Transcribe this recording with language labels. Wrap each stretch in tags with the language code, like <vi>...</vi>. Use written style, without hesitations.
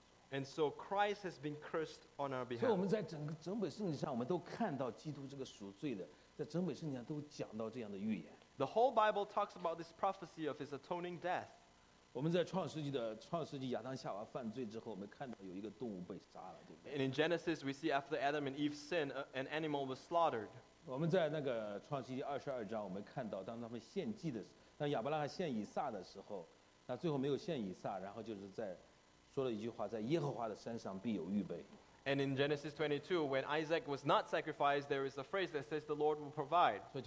<en>And so Christ has been cursed on our behalf. So we are in the whole Bible, we have seen Christ as a sinner.</en> <zh>在整本圣经都讲到这样的预言。</zh> <en>The whole Bible talks about this prophecy of his atoning death.</en> <zh>我们在创世纪亚当夏娃犯罪之后，我们看到有一个动物被杀了，对不对</zh> <en>？And in Genesis, we see after Adam and Eve sinned, an animal was slaughtered.</en> <zh>我们在那个创世纪二十二章，我们看到当他们献祭的时候，当亚伯拉罕献以撒的时候，那最后没有献以撒，然后就是在说了一句话，在耶和华的山上必有预备。</zh> <en>And in Genesis 22, when Isaac was not sacrificed, there is a phrase that says the Lord will provide.</en>